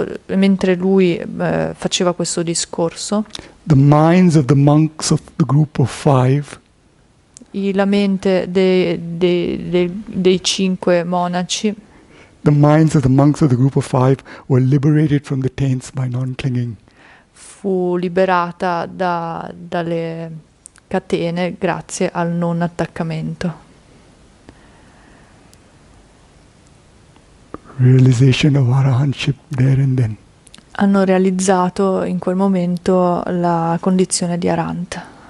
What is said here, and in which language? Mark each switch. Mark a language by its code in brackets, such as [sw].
[it] Mentre lui faceva questo discorso, [en] the minds of the monks of the group of five [it] la mente dei cinque monaci [en] The minds of the monks of the group of five were liberated from the taints by non-clinging. [it] fu liberata dalle catene grazie al non attaccamento. [en] Realization of Arahantship there and then. [it] Hanno realizzato in quel momento la condizione di Arant.